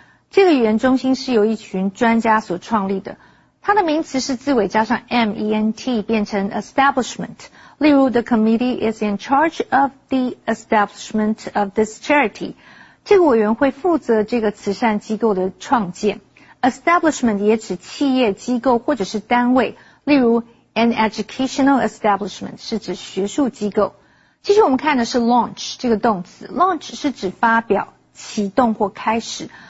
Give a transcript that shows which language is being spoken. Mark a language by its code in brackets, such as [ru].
[zh] 这个语言中心是由一群专家所创立的。它的名词是字尾加上 ment 变成 establishment。 [en] 例如 ，The committee is in charge of the establishment of this charity. [zh] 这个委员会负责这个慈善机构的创建。 Establishment 也指企业、机构或者是单位。例如 ， [en] An educational establishment [zh] 是指学术机构。其实我们看的是 launch 这个动词。Launch 是指发表、启动或开始。